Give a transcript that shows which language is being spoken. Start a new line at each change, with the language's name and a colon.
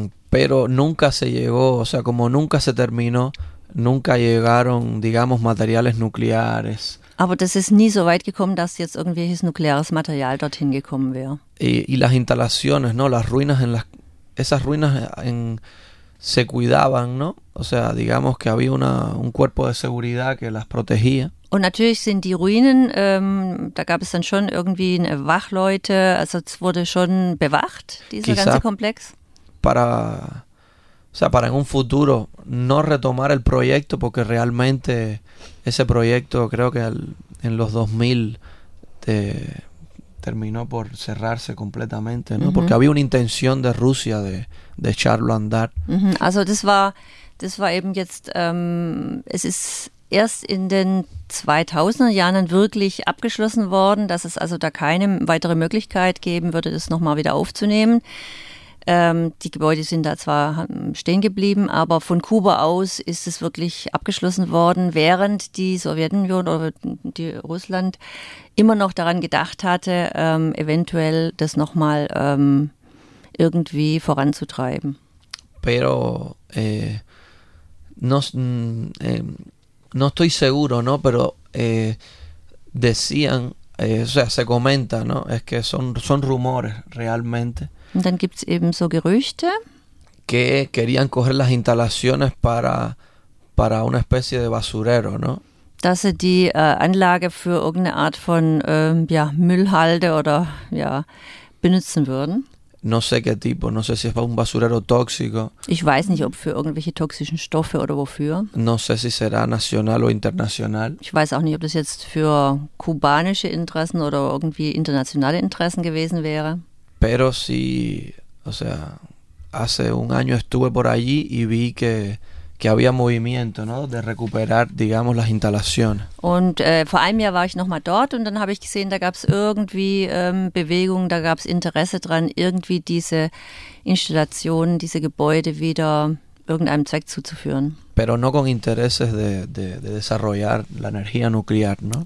Spanish: Pero nunca se llegó, o sea, como nunca se terminó, nunca llegaron, digamos, materiales nucleares.
German: Aber das ist nie so weit gekommen, dass jetzt irgendwelches nukleares Material dorthin gekommen wäre.
Spanish: Y las instalaciones, ¿no? Las ruinas en las esas ruinas en se cuidaban, ¿no? O sea, digamos que había un cuerpo de seguridad que las protegía.
German: Und natürlich sind die Ruinen, da gab es dann schon irgendwie Wachleute, also es wurde schon bewacht, dieser ganze Komplex.
Spanish: Para o sea, para en un futuro no retomar el proyecto, porque realmente ese proyecto creo que en los 2000 terminó por cerrarse completamente, ¿no? Uh-huh. Porque había una intención de Rusia de echarlo a andar. Uh-huh.
German: Also das war eben jetzt, es ist erst in den 2000er Jahren wirklich abgeschlossen worden, dass es also da keine weitere Möglichkeit geben würde, das nochmal wieder aufzunehmen. Die Gebäude sind da zwar stehen geblieben, aber von Kuba aus ist es wirklich abgeschlossen worden, während die Sowjetunion oder die Russland immer noch daran gedacht hatte, eventuell das nochmal irgendwie voranzutreiben.
Spanish: Pero no estoy seguro, ¿no? Pero decían, o sea, se comenta, ¿no? Es que son rumores realmente.
German: Und dann gibt es eben so Gerüchte,
Spanish: que querían coger las instalaciones para una especie de basurero, ¿no?
German: Dass sie die Anlage für irgendeine Art von Müllhalde oder benutzen würden.
Spanish: No sé qué tipo, no sé si es para un basurero tóxico.
German: Ich weiß nicht, ob für irgendwelche toxischen Stoffe oder wofür.
Spanish: No sé si será nacional o internacional.
German: Ich weiß auch nicht, ob das jetzt für kubanische Interessen oder irgendwie internationale Interessen gewesen wäre.
Spanish: Pero sí, o sea, hace un año estuve por allí y vi que había movimiento, ¿no? De recuperar, digamos, las instalaciones.
German: Und vor einem Jahr war ich nochmal dort und dann habe ich gesehen, da gab es irgendwie Bewegung, da gab es Interesse dran, irgendwie diese Installationen, diese Gebäude wieder irgendeinem Zweck zuzuführen.
Spanish: Pero no con intereses de desarrollar la energía nuclear, ¿no?